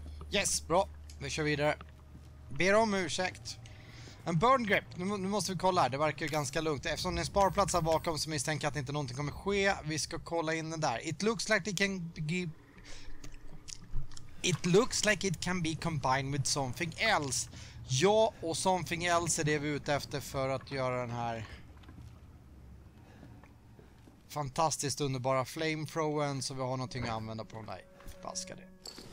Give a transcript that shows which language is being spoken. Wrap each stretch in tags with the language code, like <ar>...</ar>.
<sv>Yes, bra. Vi kör vidare. Ber om ursäkt. En burn grip. Nu måste vi kolla här. Det verkar ganska lugnt. Eftersom det är en sparplats här bakom så misstänker jag att inte någonting kommer ske. Vi ska kolla in den där.</sv> <en>It looks like they can... It looks like it can be combined with something else.</en> <sv>Ja, och something else är det vi är ute efter för att göra den här fantastiskt underbara flamethrowern, så vi har någonting att använda på den där. Baska det.</sv>